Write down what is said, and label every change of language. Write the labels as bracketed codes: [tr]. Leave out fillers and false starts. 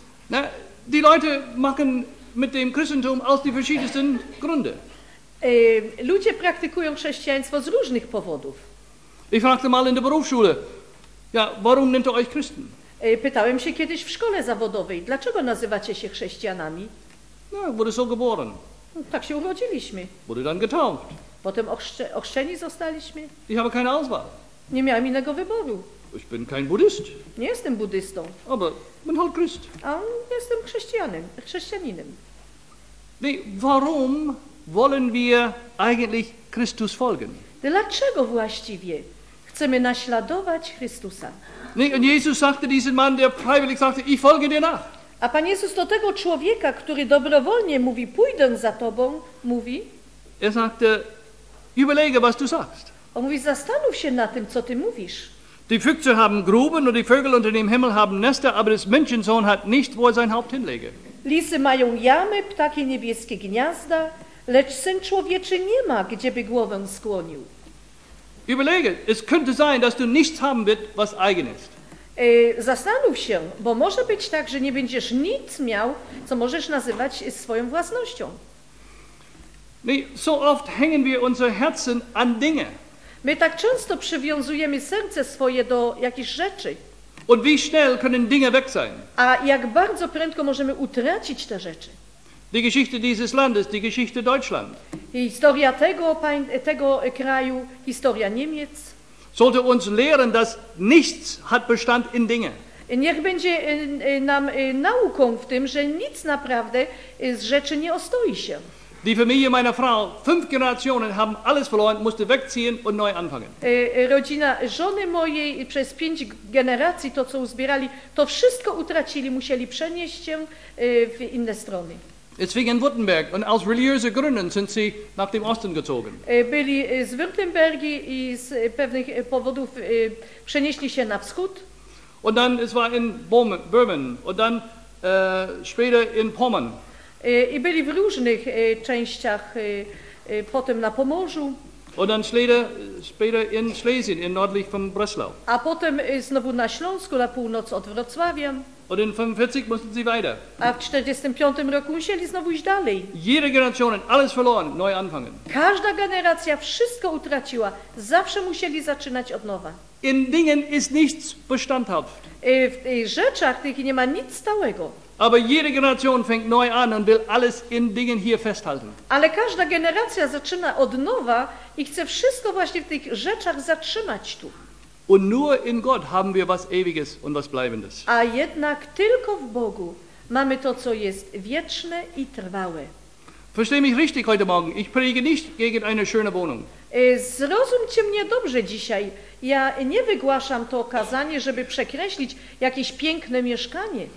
[de] Na, die Leute machen mit dem Christentum aus den verschiedensten Gründen. [pl] Ludzie praktykują chrześcijaństwo z różnych powodów. [de] Ich fragte mal in der Berufsschule, ja, warum nennt ihr euch Christen? [pl] Pytałem się kiedyś w szkole zawodowej, dlaczego nazywacie się chrześcijanami? [de] No, wurde so geboren. [pl] Tak się urodziliśmy. [de] Wurde dann getauft. [pl] Potem ochrzczeni zostaliśmy. [de] Ich habe keine Auswahl. [pl] Nie miałem innego wyboru. [de] Ich bin kein Buddhist. [pl] Nie jestem buddystą. [de] Aber bin halt Christ. [pl] A jestem chrześcijaninem. [de] Nee, warum wollen wir eigentlich Christus folgen? [pl] Dlaczego właściwie chcemy naśladować Chrystusa? [de] Nee, und Jesus sagte diesen Mann, der freiwillig sagte, ich folge dir nach. [pl] A Pan Jezus do tego człowieka, który dobrowolnie mówi, pójdę za tobą, mówi... [de] Er sagte, überlege, was du sagst. [pl] On mówi, zastanów się na tym, co ty mówisz. [de] Die Füchse haben Gruben und die Vögel unter dem Himmel haben Nester, aber des Menschensohn hat nicht, wo er sein Haupt hinlege. [pl] Lisy mają jamy, ptaki niebieskie gniazda, lecz Syn Człowieczy nie ma, gdzie by głowę skłonił. [de] Überlege, es könnte sein, dass du nichts haben wird, was eigen ist. [pl] Zastanów się, bo może być tak, że nie będziesz nic miał, co możesz nazywać swoją własnością. [de] Nee, so oft hängen wir unsere Herzen an Dinge. [pl] My tak często przywiązujemy serce swoje do jakichś rzeczy. [de] Und wie schnell können Dinge weg sein? [pl] A jak bardzo prędko możemy utracić te rzeczy? [de] Die Geschichte dieses Landes, die Geschichte Deutschland. [pl] Historia tego kraju, historia Niemiec. [de] Sollte uns lehren, dass nichts hat Bestand in Dinge. [pl] Niech będzie nam nauką w tym, że nic naprawdę z rzeczy nie ostoi się. [de] Die Familie meiner Frau, 5 Generationen haben alles verloren, musste wegziehen und neu anfangen. [pl] Rodzina żony mojej przez 5 generacji to, co uzbierali, to wszystko utracili, musieli przenieść się w inne strony. [de] Es fing in Württemberg und aus religiösen Gründen sind sie nach dem Osten gezogen. [pl] Byli z Württembergi i z pewnych powodów przenieśli się na wschód. [de] Und dann, es war in Böhmen und dann später in Pommern. [pl] I byli w różnych częściach, potem na Pomorzu. [de] Und dann später in Schlesien, in nördlich von Breslau. [pl] A potem znowu na Śląsku, na północ od Wrocławia. [de] Und in 45 mussten sie weiter. [pl] A w 45 roku musieli znowu iść dalej. [de] Jede Generation, alles verloren, neu anfangen. [pl] Każda generacja wszystko utraciła, zawsze musieli zaczynać od nowa. [de] In Dingen ist nichts bestandhaft. [pl] W rzeczach tych nie ma nic stałego. [de] Aber jede Generation fängt neu an und will alles in Dingen hier festhalten. [pl] Ale każda generacja zaczyna od nowa i chce wszystko właśnie w tych rzeczach zatrzymać tu. [de] Und nur in Gott haben wir was Ewiges und was Bleibendes. [pl] A jednak tylko w Bogu mamy to, co jest wieczne i trwałe. [de] Versteh mich richtig heute Morgen. Ich predige nicht gegen eine schöne Wohnung. [pl] Zrozumcie mnie dobrze dzisiaj. Ja nie wygłaszam to kazanie, żeby przekreślić jakieś piękne mieszkanie.